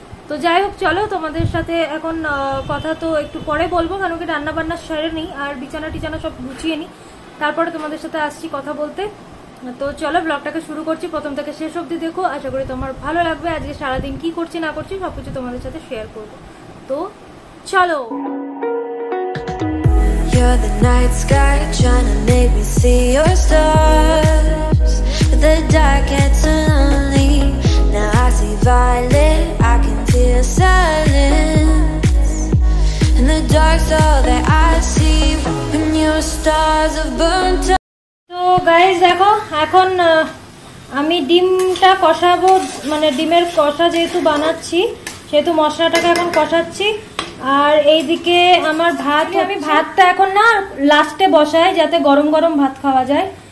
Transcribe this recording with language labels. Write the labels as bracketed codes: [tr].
[bn] তো যাই হোক, চলো তোমাদের সাথে এখন কথা তো একটু পরে বলবো, কারণ কি রান্না বান্না সেরে নিই আর বিছানা টিছানা সব গুছিয়ে নিই, তারপরে তোমাদের সাথে আসছি কথা বলতে। তো চলো ব্লগটাকে শুরু করছি, প্রথম থেকে শেষ অবধি দেখো, আশা করি তোমার ভালো লাগবে। আজকে সারাদিন কি করছি না করছি সবকিছু তোমাদের সাথে শেয়ার করবো, তো চলো। [en] You're the night sky trying to make me see your stars. The dark gets lonely, now I see violet, I can feel silence. And the dark's all that I see when your stars have burnt up. So guys, [bn] দেখো এখন আমি ডিমটা কষাবো, মানে ডিমের কষা যেহেতু বানাচ্ছি সেহেতু মশলাটাকে এখন কষাচ্ছি। আর এইদিকে আমার ভাত, আমি ভাতটা এখন না লাস্টে বসাই যাতে গরম গরম ভাত খাওয়া যায়।